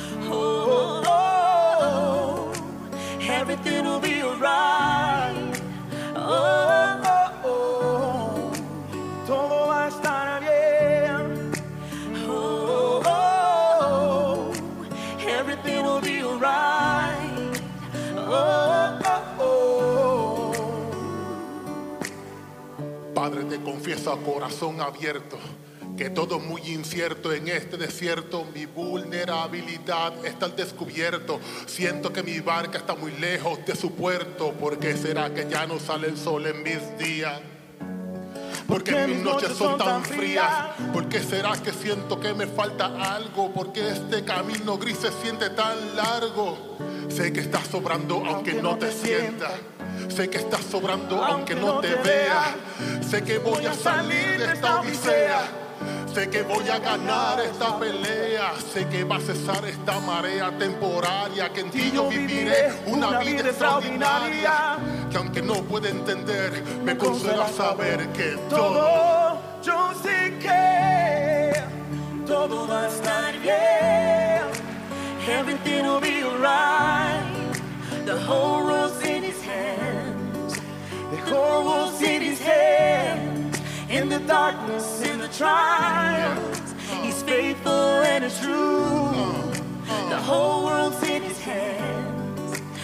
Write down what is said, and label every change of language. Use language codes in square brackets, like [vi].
[en] Oh, oh, oh, everything will be alright. Oh, oh, oh, [es] todo va a estar bien. [en] Oh, oh, oh, everything will be alright. Oh, oh, oh, [es] Padre, te confieso a corazón abierto. que todo muy incierto en este desierto, mi vulnerabilidad está al descubierto. Siento que mi barca está muy lejos de su puerto. ¿Por qué será que ya no sale el sol en mis días? ¿Por qué mis noches son tan frías? ¿Por qué será que siento que me falta algo? ¿Por qué este camino gris se siente tan largo? Sé que estás sobrando aunque no te sienta. Sé que estás sobrando aunque no te vea. Sé que voy a salir de esta odisea. Sé que voy a ganar esta pelea. Sé que va a cesar esta marea temporaria. Que en ti yo viviré una vida extraordinaria. Que aunque no pueda entender, me consuela saber que todo, yo sé que todo va a estar bien. [en] Everything will be alright. The whole world's in his hands. The whole world's in his hands. In the darkness, in the trials, he's faithful and it's true. The whole world's in his hands.